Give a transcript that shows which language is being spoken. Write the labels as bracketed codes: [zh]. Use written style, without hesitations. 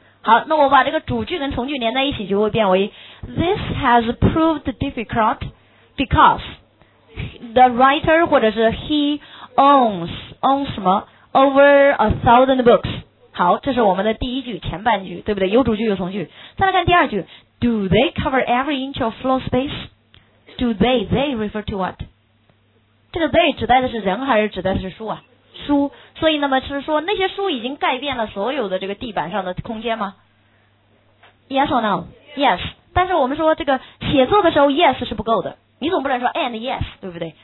[zh] 好，那我把这个主句跟从句连在一起，就会变为 [en] this has proved difficult because the writer [zh] 或者是 [en] he owns [zh] 什么 [en] over 1,000 books。 [zh] 好，这是我们的第一句，前半句，对不对？有主句有从句。 [en] 再来看第二句，Do they cover every inch of floor space? Do they refer to what? [zh] 这个 they 指代的是人还是指代的是书啊？书。所以那么是说那些书已经盖遍了所有的这个地板上的空间吗？ [en] Yes or no? Yes. [zh] 但是我们说这个写作的时候 yes 是不够的，你总不能说 [en] and yes, [zh] 对不对？